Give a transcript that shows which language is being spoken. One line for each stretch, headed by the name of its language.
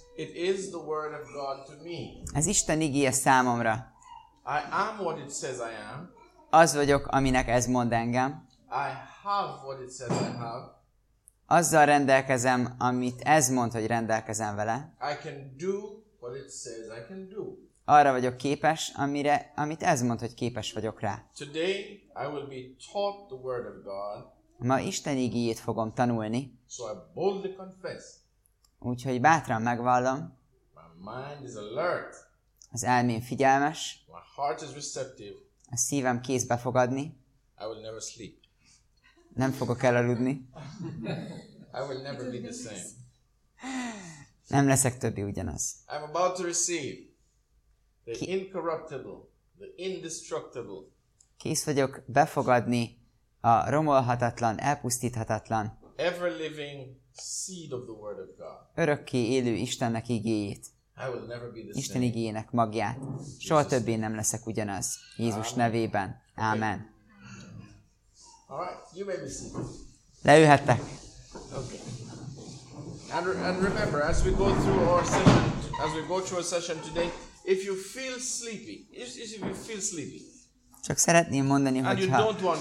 English: It is the word of God to me.
Hungarian: Ez Isten igéje számomra.
English: I am what it says I am.
Hungarian: Az vagyok, aminek ez mond engem.
English: I have what it says I have.
Hungarian: Azzal rendelkezem, amit ez mond, hogy rendelkezem vele.
English: I can do what it says I can do.
Hungarian: Arra vagyok képes, amire, amit ez mond, hogy képes vagyok rá.
English: Today I will be taught the word of God.
Hungarian: Ma Isten igéjét fogom tanulni.
English: So I boldly confess.
Hungarian: Úgyhogy bátran megvallom.
English: My mind is alert.
Hungarian: Az elmém figyelmes.
English: My heart is receptive.
Hungarian: A szívem kézbe fogadni.
English: I will never sleep.
Hungarian: Nem fogok elaludni.
English: I will never be the same.
Hungarian: Nem leszek többi ugyanaz.
English: I'm about to receive the incorruptible, the indestructible.
Hungarian: Kész vagyok befogadni a romolhatatlan, elpusztíthatatlan.
English: Ever living seed of the word of God.
Hungarian: Örökké élő Istennek igéjét.
English: I will never be the same.
Hungarian: Isten igéjének magját. Soha többé nem leszek ugyanaz. Jézus Amen. Nevében. Amen.
English: Okay. All right, you may be seated.
Hungarian: Leülhettek.
English: Okay. And remember, as we go through our session, as we go through our session today, if you feel sleepy, if you feel sleepy.
Hungarian: Csak szeretném mondani, hogyha,